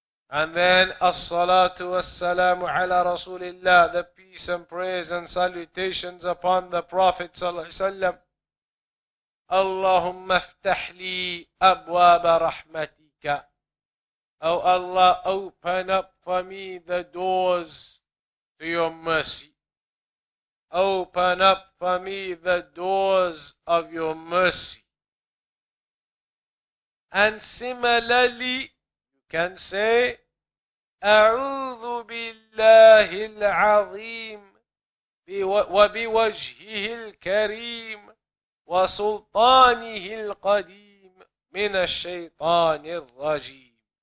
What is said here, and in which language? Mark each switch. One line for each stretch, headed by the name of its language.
English: And then
Arabic: الصلاة والسلام على رسول الله.
English: The peace and praise and salutations upon the Prophet
Arabic: صلى الله عليه وسلم. اللهم افتح لي أبواب رحمتك.
English: Oh Allah, open up for me the doors to your mercy. Open up for me the doors of your mercy. And similarly, you can say,
Arabic: أعوذ بالله العظيم وبوجهه الكريم وسلطانه القديم من الشيطان الرجيم.